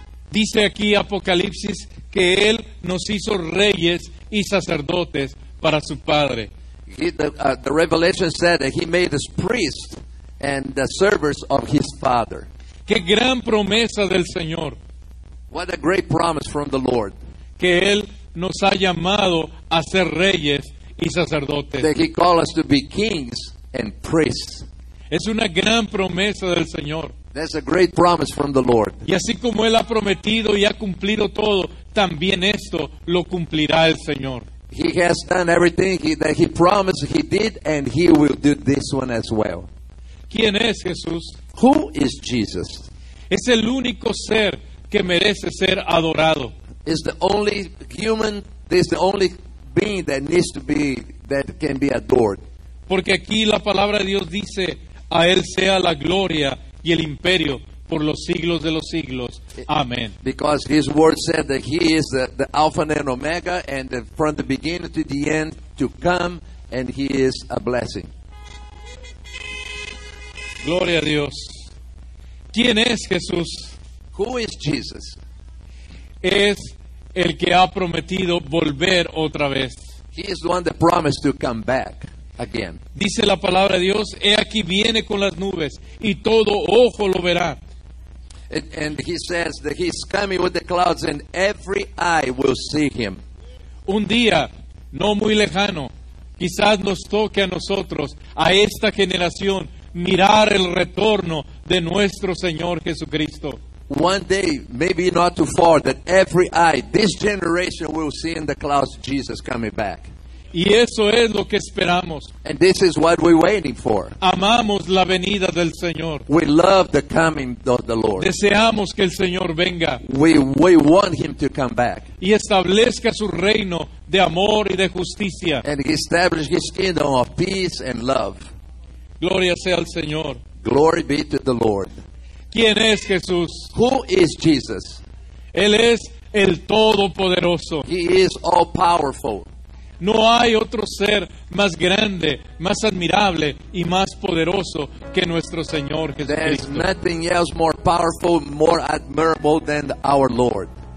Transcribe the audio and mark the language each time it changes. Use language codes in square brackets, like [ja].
[es] Dice aquí Apocalipsis que Él nos hizo reyes y sacerdotes para su Padre. [en] The Revelation said that He made us priests and the servants of His Father. [es] ¡Qué gran promesa del Señor! [en] What a great promise from the Lord. [es] Que Él nos ha llamado a ser reyes y sacerdotes. [en] That He called us to be kings and priests. [es] Es una gran promesa del Señor. [en] That's a great promise from the Lord. [es] Y así como Él ha prometido y ha cumplido todo, también esto lo cumplirá el Señor. [en] He has done everything that He promised He did, and He will do this one as well. [es] ¿Quién es Jesús? [en] Who is Jesus? [es] Es el único ser que merece ser adorado. [en] Is the only human, is the only being that needs to be, that can be adored. [es] Porque aquí la palabra de Dios dice, a Él sea la gloria y el imperio por los siglos de los siglos. Amén. [en] Because His word said that He is the Alpha and Omega, and the, from the beginning to the end to come, and He is a blessing. [es] Gloria a Dios. ¿Quién es Jesús? [en] Who is Jesus? [es] Es el que ha prometido volver otra vez. [en] He is the one that promised to come back. Again. [es] Dice la palabra de Dios, he aquí viene con las nubes y todo ojo lo verá. [en] And he says that he's coming with the clouds and every eye will see him. [es] un día no muy lejano, quizás nos toque a nosotros, a esta generación, mirar el retorno de nuestro Señor Jesucristo. [en] One day, maybe not too far, that every eye, this generation will see in the clouds Jesus coming back. [es] Y eso es lo que esperamos. [en] And this is what we're waiting for. [es] Amamos la venida del Señor. [en] We love the coming of the Lord. [es] Deseamos que el Señor venga. [en] We want Him to come back. [es] Y establezca su reino de amor y de justicia. [en] And establish His kingdom of peace and love. [es] Gloria sea al Señor. [en] Glory be to the Lord. [es] ¿Quién es Jesús? [en] Who is Jesus? [es] Él es el Todopoderoso. [en] He is all powerful. [es] No hay otro ser más grande, más admirable y más poderoso que nuestro Señor Jesucristo. [en] There is nothing else more powerful, more admirable than our Lord.